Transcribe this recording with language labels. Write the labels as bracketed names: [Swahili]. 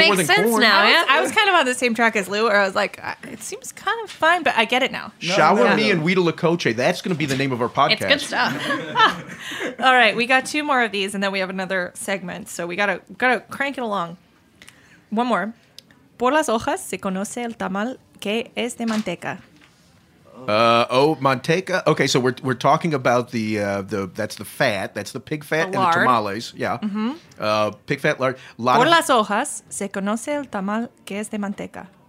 [English] It makes sense now. I was kind of on the same track as Lou, where I was like, it seems kind of fine, but I get it now. Shower me in huilacoche. That's going to be the name of our podcast. It's good stuff. All right, we got two more of these, and then we have another segment, so we gotta crank it along. One more. [Spanish] Por las hojas se conoce el tamal que es de manteca. Manteca. [English] Okay, so we're talking about the pig fat and the tamales. Yeah. Mm-hmm. Pig fat, lard. [Spanish] Por las hojas se conoce el tamal que es de manteca.